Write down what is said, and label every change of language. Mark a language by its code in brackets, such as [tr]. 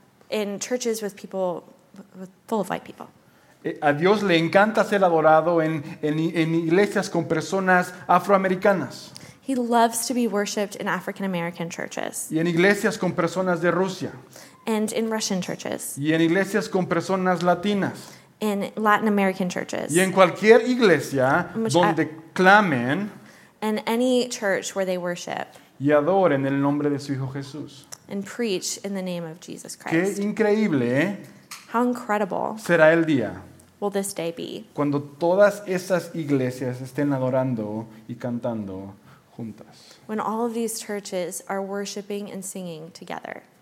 [en] In churches with people full of white people. [es] A Dios le encanta ser adorado en iglesias con personas afroamericanas. [en] He loves to be worshipped in African American churches. [es] Y en iglesias con personas de Rusia. [en] And in Russian churches. [es] Y en iglesias con personas latinas. [en] In Latin American churches. [es] Y en cualquier iglesia donde clamen. [en] And any church where they worship. [es] Y adoren el nombre de su Hijo Jesús. [en] And preach in the name of Jesus Christ. [es] Qué increíble. [en] How incredible. [es] Será el día. [en] Will this day be. [es] Cuando todas esas iglesias estén adorando y cantando juntas. [en] When all of these churches are worshiping and singing together.